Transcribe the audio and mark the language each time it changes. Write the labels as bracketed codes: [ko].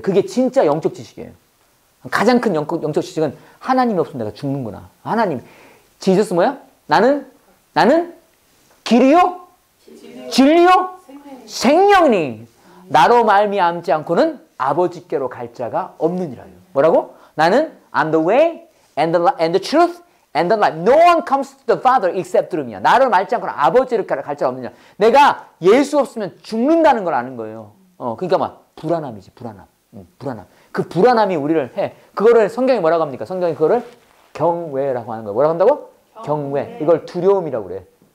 [ko] 그게 진짜 영적 지식이에요. 가장 큰 영적 지식은 하나님이 없으면 내가 죽는구나. 하나님, 지저스 뭐야? 나는 길이요? 진리요? 생명이니 나로 말미암지 않고는 아버지께로 갈 자가 없느니라. 뭐라고? 나는 [en] I'm the way And the truth and the life. No one comes to the Father except through me. [ko] 나를 말지 않고는 아버지를 갈 자가 없느냐. 내가 예수 없으면 죽는다는 걸 아는 거예요. 그러니까 불안함이지, 불안함. 불안함. 그 불안함이 우리를 해. 그거를 성경이 뭐라고 합니까? 성경이 그거를 경외라고 하는 거예요. 뭐라고 한다고? 경외. 이걸 두려움이라고 그래.